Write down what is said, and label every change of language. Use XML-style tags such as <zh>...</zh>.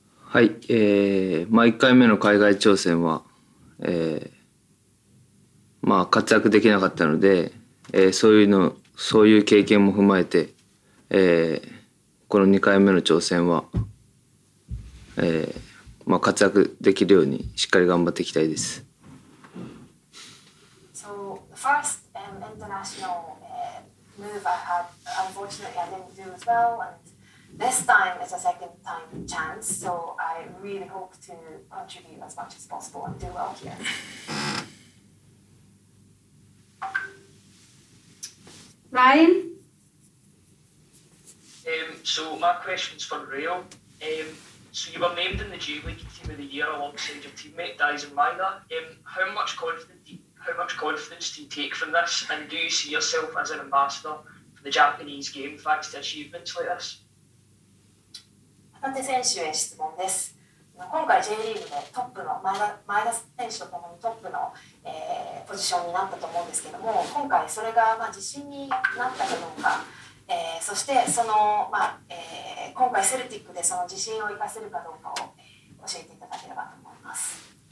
<ja>はい、まあ、1回目の海外挑戦は、まあ、活躍できなかったので、そういう経験も踏まえて、この2回目の挑戦は、まあ、活躍できるようにしっかり頑張っていきたいです。</ja> <en>So the first international move I had unfortunately I didn't do as well, and this time is a second time chance, so I really hope to contribute as much as possible and do well here. Ryan? So my question's for Rayo. So you were named in the J-League Team of the Year alongside your teammate Dyson Minor. How much confidence do you take from this, and do you see yourself as an ambassador for the Japanese game thanks to achievements like this?</en> <ja>旗手選手へ質問です。今回 J リーグでトップの前田選手とともにトップの、ポジションになったと思うんですけども、今回それが、まあ、自信になったかどうか、そしてその、まあ今回セルティックでその自信を生かせるかどうかを教えていただければと思います。</ja>